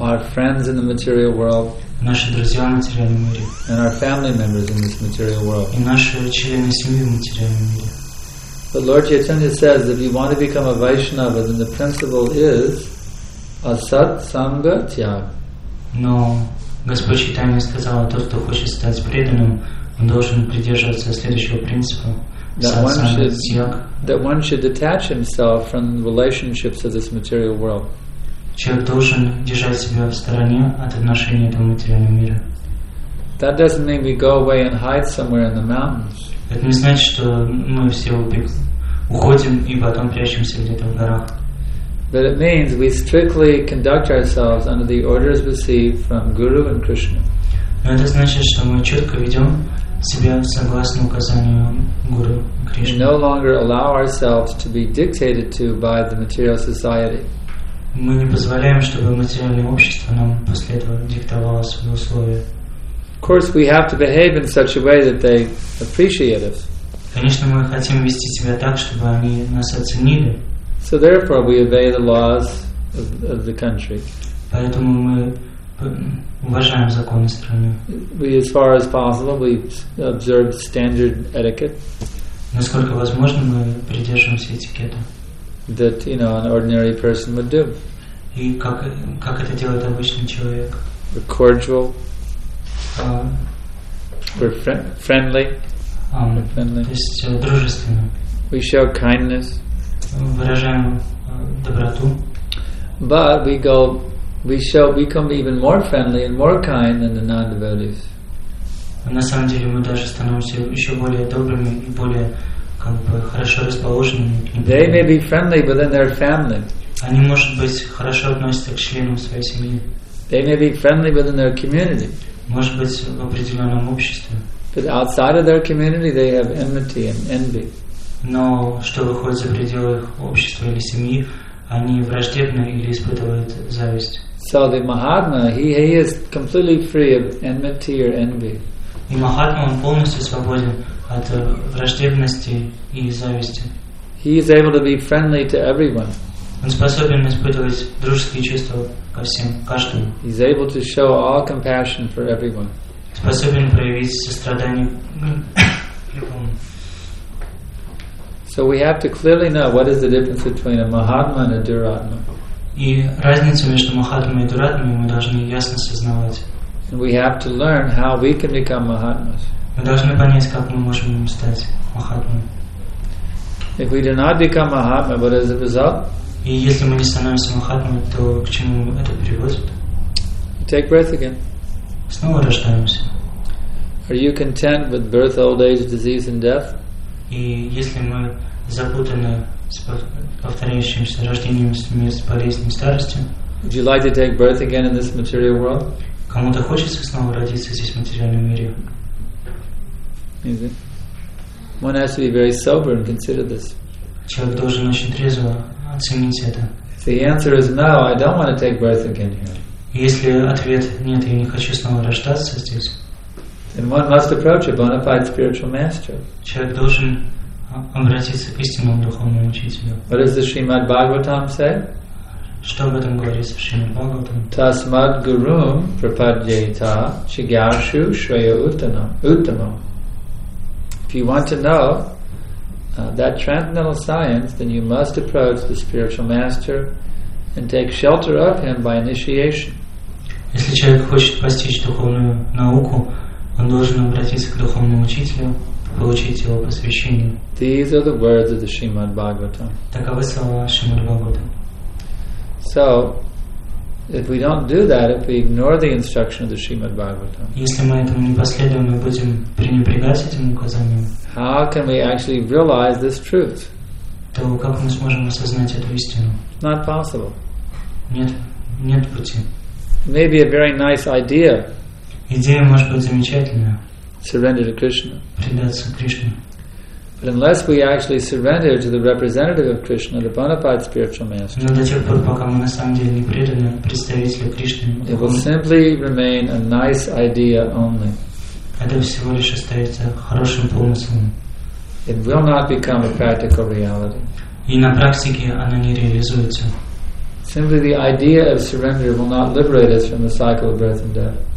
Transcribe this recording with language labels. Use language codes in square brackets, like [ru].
[en] Our friends in the material world. [ru] Наши друзья в материальном мире. [en] And our family members in this material world. [ru] И наши члены семьи в материальном мире. [en] But Lord Chaitanya says, if you want to become a Vaishnava, then the principle is [sa] asat sanga tyag. [ru] No, Господь Chaitanya сказал, тот, кто хочет стать преданным, он должен придерживаться следующего принципа. [en] That one should detach himself from the relationships of this material world. [ru] Человек должен держать себя в стороне от отношений этого материального мира. [en] That doesn't mean we go away and hide somewhere in the mountains. [ru] Это не значит, что мы все уходим и потом прячемся где-то в горах. [en] But it means we strictly conduct ourselves under the orders received from Guru and Krishna. [ru] Но это значит, что мы четко ведем себя согласно указаниям Гуру и Кришны. [en] We no longer allow ourselves to be dictated to by the material society. [ru] Мы не позволяем, чтобы материальное общество нам после этого диктовало свои условия. [en] Of course, we have to behave in such a way that they appreciate us. [ru] Конечно, мы хотим вести себя так, чтобы они нас оценили. [en] So therefore, we obey the laws of the country. [ru] Поэтому мы уважаем законы страны. [en] We, as far as possible, we observe standard etiquette. [ru] Насколько возможно, мы придерживаемся этикета. [en] That, you know, an ordinary person would do. [ru] И как это делает обычный человек? [en] We're cordial. We're friendly. [ru] Дружественно. [en] We show kindness. [ru] Выражаем доброту. [en] But we become even more friendly and more kind than the non-devotees. [ru] На самом деле мы даже становимся еще более добрыми и более как бы хорошо расположенными. [en] They may be friendly, but then they're family. [ru] Они, может быть, хорошо относятся к членам своей семьи. [en] They may be friendly, but then they're community. [ru] Может быть, в определенном обществе. [en] But outside of their community, they have enmity and envy. [ru] Но что выходит за пределы их общества или семьи, они враждебны или испытывают зависть. [en] So the Mahatma, he is completely free of enmity or envy. [ru] И Махатма, он полностью свободен от враждебности и зависти. [en] He is able to be friendly to everyone. [ru] Он способен испытывать дружеские чувства ко всем, каждому. [en] He's able to show all compassion for everyone. [ru] Способен проявить сострадание любому. [en] So we have to clearly know what is the difference between a Mahatma and a Duratma. [ru] И разницу между Махатмой и Дуратмой мы должны ясно осознавать. [en] And we have to learn how we can become Mahatmas. [ru] Мы должны понять, как мы можем стать Махатмой. [en] If we do not become Mahatma, what is the result? [ru] И если мы не становимся Махатмой, то к чему это приводит? [en] Take breath again. [ru] Снова рождаемся. [en] Are you content with birth, old age, disease and death? [ru] И если мы запутаны с повторяющимся рождением, смертью, болезнью, старостью. [en] Would you like to take birth again in this material world? [ru] Кому-то хочется снова родиться здесь в материальном мире? [en] One has to be very sober and consider this. [ru] Человек должен очень трезво оценить это. [en] If the answer is no, I don't want to take birth again here. [ru] Если ответ нет, я не хочу снова рождаться здесь. [en] Then one must approach a bona fide spiritual master. [ru] Человек должен обратиться к истинному духовному учителю. [en] What does the Srimad Bhagavatam say? [ru] Что об этом говорится в Шримад Бхагаватам? [sa] Tasmad gurum prapadyayita shigyashu shreya uttama. [en] If you want to know that transcendental science, then you must approach the spiritual master and take shelter of him by initiation. [ru] Если человек хочет постичь духовную науку, он должен обратиться к духовному учителю, получить его посвящение. [en] These are the words of the Srimad Bhagavatam. [ru] Таковы слова Шримад Бхагаватам. [en] So, if we don't do that, if we ignore the instruction of the Srimad Bhagavatam, [ru] если мы этому не последуем, мы будем пренебрегать этим указанием. [en] How can we actually realize this truth? [ru] То как мы сможем осознать эту истину? [en] Not possible. [ru] Нет пути. [en] Maybe a very nice idea. [ru] Идея может быть замечательная. [en] Surrender to Krishna. [ru] Предаться Кришне. [en] But unless we actually surrender to the representative of Krishna, the bona fide spiritual master, [ru] но до тех пор, пока мы на самом деле не преданы представителю Кришны, [en] it will simply remain a nice idea only. [ru] Это всего лишь остается хорошим помыслом. [en] It will not become a practical reality. [ru] И на практике она не реализуется. [en] Simply the idea of surrender will not liberate us from the cycle of birth and death.